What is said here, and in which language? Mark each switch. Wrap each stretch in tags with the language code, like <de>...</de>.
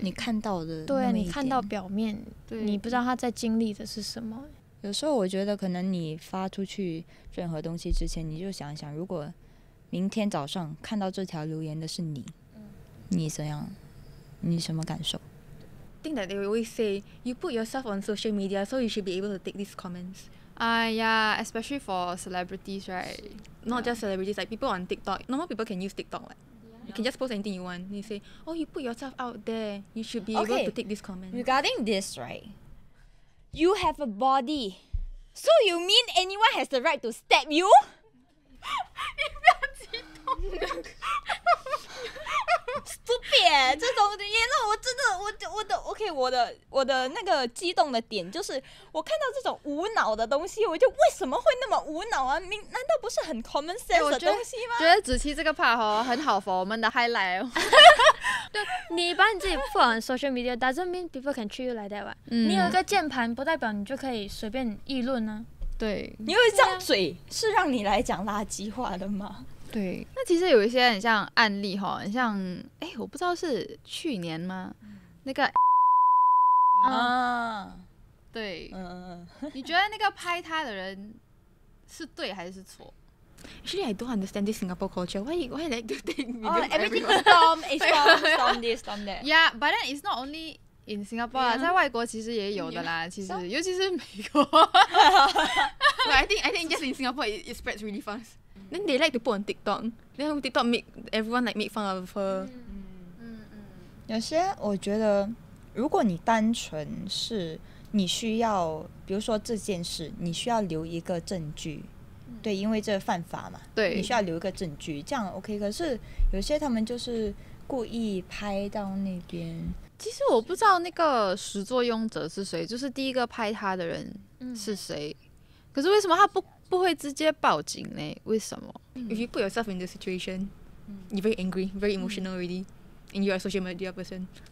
<zh>你看到的那么一点，对，你看到表面，对，你不知道他在经历的是什么。有时候我觉得可能你发出去任何东西之前，你就想一想，如果明天早上看到这条留言的是你，你怎样，你什么感受？</zh> <en>I think that they always say you put yourself on social media, so you should be able to take these comments. Especially for celebrities, right? Not just celebrities, like people on TikTok. Normal people can use TikTok, like, you can just post anything you want. You say, oh, you put yourself out there. You should be able to take this comment. Regarding this, right? You have a body. So you mean anyone has the right to stab you?</en> <zh>Stupid 耶，这种言论我真的，我的 OK， 我的那个激动的点就是，我看到这种无脑的东西，我就为什么会那么无脑啊？难道不是很 common sense 的东西吗？觉得芷琪这个 part 很好 for 我们的 highlight 哦。对，你把你自己</zh> <en>put on social media doesn't mean people can treat you like that 吧？</en> <zh>你有一个键盘，不代表你就可以随便议论呢。对，你有一张嘴是让你来讲垃圾话的吗？对，那其实有一些很像案例哈，很像我不知道是去年吗？那个啊，对，你觉得那个拍他的人是对还是错</zh> <en>？Actually, I don't understand this Singapore culture. Why like do things? Oh, everything is storm this, storm that. Yeah, but then it's not only. In Singapore, yeah.</en> <zh>在外国其实也有的啦， yeah. 其实、so? 尤其是美国。</zh> <en>But I think just in Singapore it spreads really fast. Then they like to put on TikTok. Then TikTok make everyone like make fun of her.</en> <zh>有些我觉得，如果你单纯是你需要，比如说这件事，你需要留一个证据，对，因为这犯法嘛，对，你需要留一个证据，这样 OK。可是有些他们就是故意拍到那边，其实我不知道那个始作俑者是谁，就是第一个拍他的人是谁、嗯、可是为什么他不会直接报警呢？为什么？</zh> <en>If you put yourself in this situation, you're very angry, very emotional already, and you are a social media person.</en>